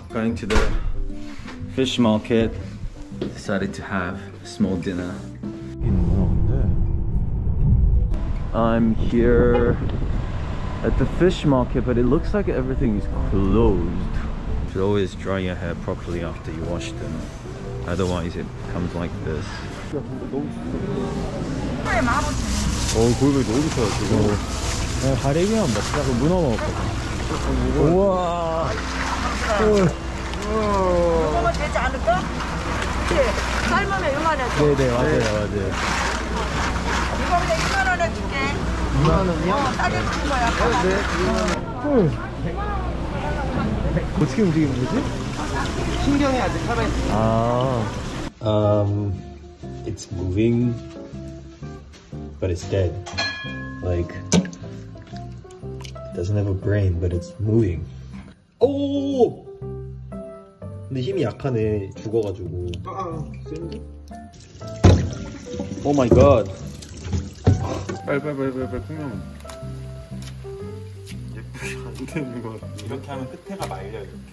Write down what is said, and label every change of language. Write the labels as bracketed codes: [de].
[en] Going to the fish market. Decided to have a small dinner. I'm here at the fish market, but it looks like everything is closed. You should always dry your hair properly after you wash them. Otherwise, it comes like this. [ko] Oh, 골뱅이 너무 좋아요, 저거. 그냥 가래기만 먹자. 그럼 문어 먹을까? 우와! 조금만 되지 않을까? 삶으면 6만 원. 네네 맞아요 맞아요. 이거 그냥 2만 원에 줄게. 2만 원이요? 싸게 주는 거야. 어떻게 움직이는 거지? 신경이 아직 살아있어. 아. [en] It's moving, but it's dead. Like, it doesn't have a brain, but it's moving. 오. [ko] 근데 힘이 약하네, 죽어가지고. [en] Oh my god. [ko] 빨리 풍경. 예쁘게 안 되는 것 같아. 이렇게 하면 끝에가 말려, 이렇게.